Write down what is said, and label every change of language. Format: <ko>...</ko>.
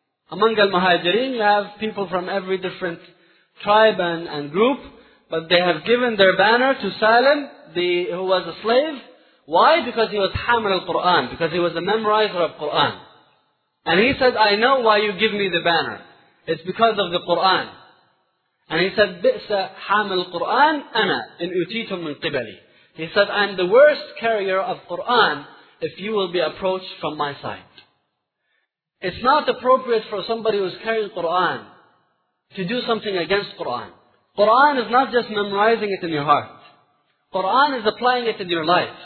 <en>Among al-Muhajirin, you have people from every different tribe and group, but they have given their banner to Salim, who was a slave. Why? Because he was Hamil al-Qur'an, because he was a memorizer of Qur'an. And he said, I know why you give me the banner. It's because of the Qur'an. And he said,</en> <ar>بِئْسَ حَامِ الْقُرْآنِ أَنَا إِنْ أُتِيتُمْ مِنْ قِبَلِي.</ar> <en>He said, I'm the worst carrier of Qur'an if you will be approached from my side. It's not appropriate for somebody who is carrying Qur'an to do something against Qur'an. Qur'an is not just memorizing it in your heart. Qur'an is applying it in your life.</en>